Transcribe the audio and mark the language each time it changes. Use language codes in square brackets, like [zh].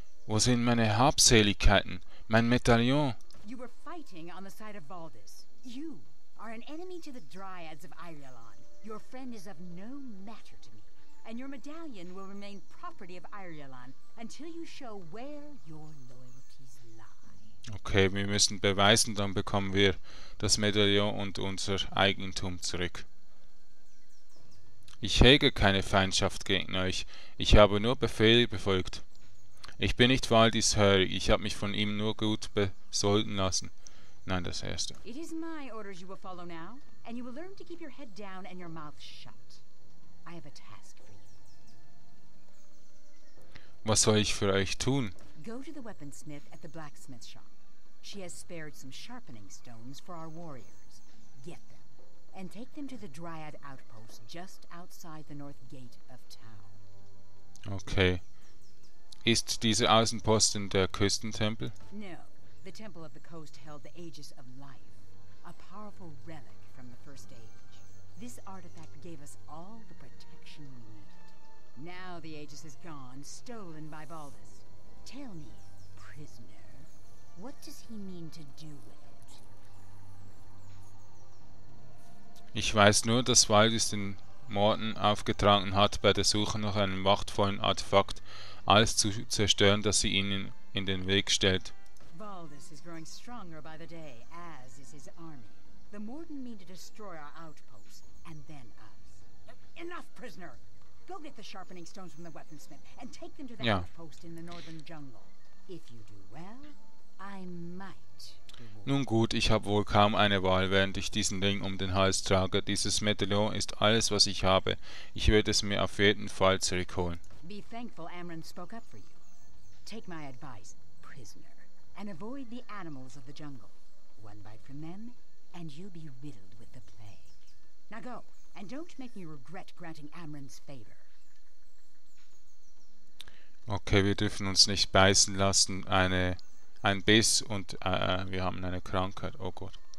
[de] Wo sind meine Habseligkeiten? Mein Medaillon? [en] You were fighting on the side of Baldus. You are an enemy to the Dryads of Irulan. Your friend is of no matter to me. And your medallion will remain property of Irulan until you show where your loyalties lie. [de] Okay, wir müssen beweisen, dann bekommen wir das Medaillon und unser Eigentum zurück. Ich hege keine Feindschaft gegen euch. Ich habe nur Befehle befolgt. Ich bin nicht Valdis Hör. Ich habe mich von ihm nur gut besolden lassen. Nein, das Erste. [en] It is my orders you will follow now, and you will learn to keep your head down and your mouth shut. I have a task. [de] Was soll ich für euch tun? [en] Go to the weaponsmith at the blacksmith shop. She has spared some sharpening stones for our warriors. Get them and take them to the dryad outpost just outside the north gate of town. [de] Okay. Ist diese Außenposten der Küstentempel? [en] No. The temple of the coast held the Aegis of Life, a powerful relic from the first age. This artifact gave us all the protection we needed. Now the Aegis is gone, stolen by Baldus. Tell me, prisoner, what does he mean to do with it? [de] Ich weiß nur, dass Baldus den Morden aufgetragen hat, bei der Suche nach einem machtvollen Artefakt alles zu zerstören, das sie ihnen in den Weg stellt. [en] Baldus is growing stronger by the day, as is his army. The Morden mean to destroy our outpost, and then us. Enough, prisoner! Go get the sharpening stones from the weaponsmith and take them to the outpost in the northern jungle. If you do well, I might. [de] Nun gut, ich habe wohl kaum eine Wahl, während ich diesen Ring um den Hals trage. Dieses Medaillon ist alles, was ich habe. Ich werde es mir auf jeden Fall zurückholen. [en] Be thankful Amren spoke up for you. Take my advice, prisoner, and avoid the animals of the jungle. One bite from them, and you'll be riddled with the plague. Now go. And don't make me regret granting Amren's favor. [de] Okay, wir dürfen uns nicht beißen lassen. Ein Biss und wir haben eine Krankheit. Oh Gott.